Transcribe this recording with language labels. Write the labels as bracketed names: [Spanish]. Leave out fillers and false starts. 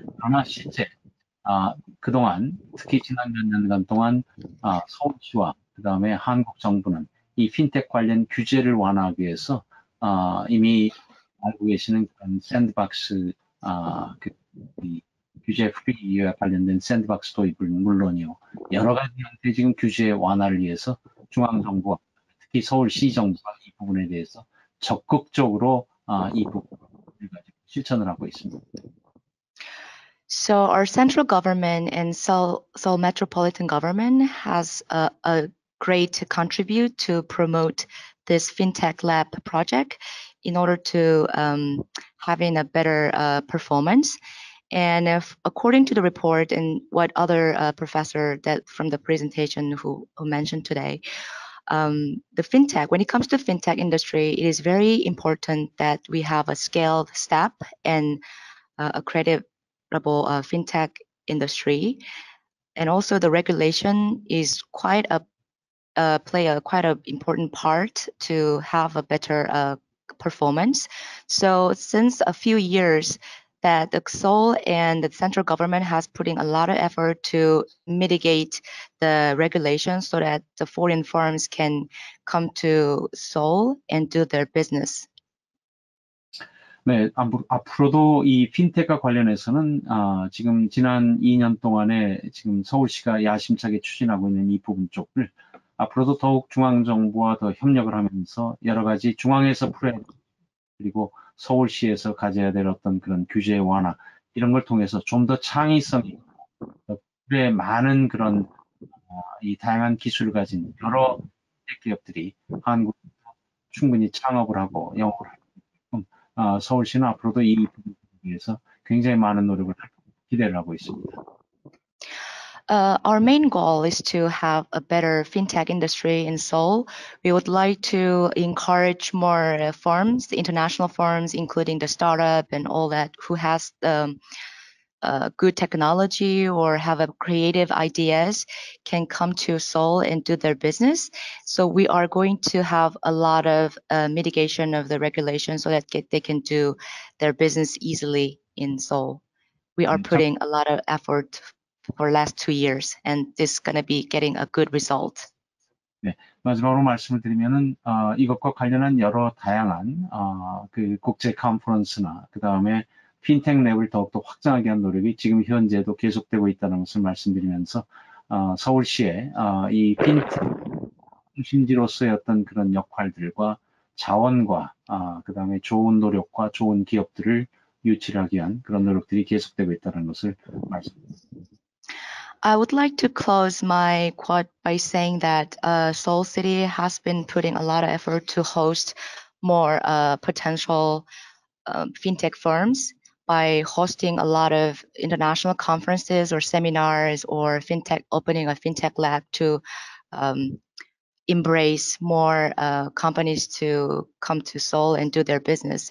[Korean] 그러나 실제 그동안 특히 지난 몇 년간 동안 서울시와 그 다음에 한국 정부는 이 핀텍 관련 규제를 완화하기 위해서 이미 알고 계시는 그런 샌드박스 규제 프리와 관련된 샌드박스 도입은 물론이요. 여러 가지 형태의 지금 규제 완화를 위해서 중앙정부와 특히 서울시 정부가 이 부분에 대해서 적극적으로 이 부분을 가지고 실천을 하고 있습니다. [English] So our central government and Seoul Metropolitan Government has a great contribute to promote this fintech lab project in order to having a better performance. And if, according to the report and what other professor that from the presentation who mentioned today, the fintech, when it comes to fintech industry, it is very important that we have a scaled step and a credible fintech industry. And also the regulation is quite play a quite important part to have a better performance. So since a few years, that the Seoul and the central government has putting a lot of effort to mitigate the regulations so that the foreign firms can come to Seoul and do their business. [Korean] 네, 앞으로도 이 핀테크 관련해서는 지금 지난 2년 동안에 지금 서울시가 야심차게 추진하고 있는 이 부분 쪽을 앞으로도 더욱 중앙정부와 더 협력을 하면서 여러 가지 중앙에서 그리고 서울시에서 가져야 될 어떤 그런 규제 완화 이런 걸 통해서 좀 더 창의성이 꽤 많은 그런 이 다양한 기술을 가진 여러 기업들이 한국에서 충분히 창업을 하고 영업을 할 만큼 서울시는 앞으로도 이 부분을 위해서 굉장히 많은 노력을 기대를 하고 있습니다. [English] Our main goal is to have a better fintech industry in Seoul. We would like to encourage more firms, the international firms, including the startup and all that, who has good technology or have a creative ideas, can come to Seoul and do their business. So we are going to have a lot of mitigation of the regulations so that they can do their business easily in Seoul. We are putting a lot of effort for last 2 years, and this is going to be getting a good result. [Korean] 네, 마지막으로 말씀을 드리면은 이것과 관련한 여러 다양한 그 국제 컨퍼런스나 그 다음에 핀텍 랩을 더욱더 확장하기 위한 노력이 지금 현재도 계속되고 있다는 것을 말씀드리면서 서울시의 이 핀텍 중심지로서의 어떤 그런 역할들과 자원과 그 다음에 좋은 노력과 좋은 기업들을 유치하기 위한 그런 노력들이 계속되고 있다는 것을 말씀드립니다. [English] I would like to close my quote by saying that Seoul City has been putting a lot of effort to host more potential fintech firms by hosting a lot of international conferences or seminars or fintech opening a fintech lab to embrace more companies to come to Seoul and do their business.